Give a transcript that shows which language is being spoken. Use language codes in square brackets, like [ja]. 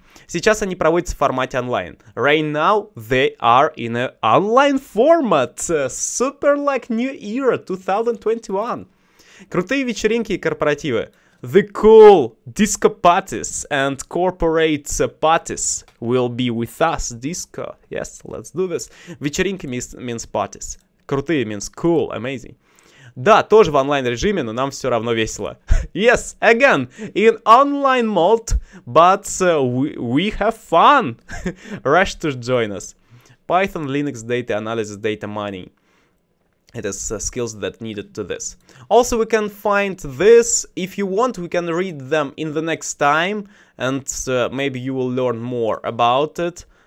[ru] Сейчас они проводятся в формате онлайн. [en] Right now they are in an online format. Super like new era 2021. [ru] Крутые вечеринки и корпоративы. [en] The cool disco parties and corporate parties will be with us. Disco, yes, let's do this. Вечеринки means parties. Крутые means cool, amazing. [ru] Да, тоже в онлайн режиме, но нам все равно весело. [en] Yes, again, in online mode, but we have fun. Rush to join us. Python, Linux, data analysis, data mining. It is skills that needed to this. Also, we can find this. If you want, we can read them in the next time. And maybe you will learn more about it.